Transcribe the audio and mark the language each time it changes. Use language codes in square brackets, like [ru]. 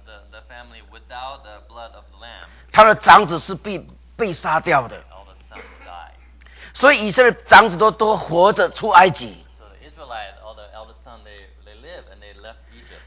[en] the family without the blood of the lamb, [zh] 他的长子是 被杀掉的 [en] all the sons died. [zh] 所以以色列长子 都活着出埃及 [en] so Israelite, all the eldest son, they live and they left Egypt.